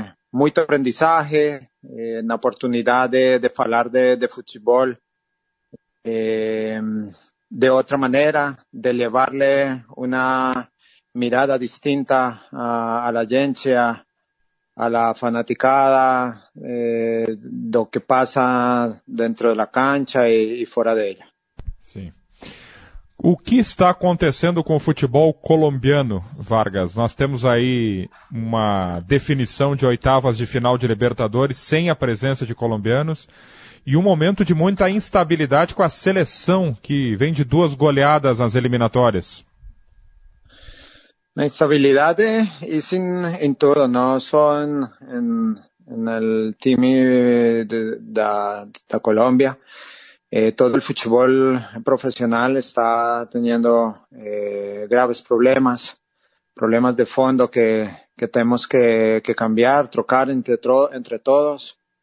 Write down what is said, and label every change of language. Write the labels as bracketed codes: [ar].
[es] Mucho aprendizaje, la oportunidad de hablar de fútbol de otra manera, de llevarle una mirada distinta a la gente, a la fanaticada, do que pasa dentro de la cancha y fuera de ella. Sí. [pt] O que está acontecendo com o futebol colombiano, Vargas? Nós temos aí uma definição de oitavas de final de Libertadores sem a presença de colombianos e um momento de muita instabilidade com a seleção, que vem de 2 goleadas nas eliminatórias. [es] La instabilidad es en todo, no solo en el team de Colombia. Todo el fútbol profesional está teniendo graves problemas, problemas de fondo que tenemos que cambiar, trocar entre todos.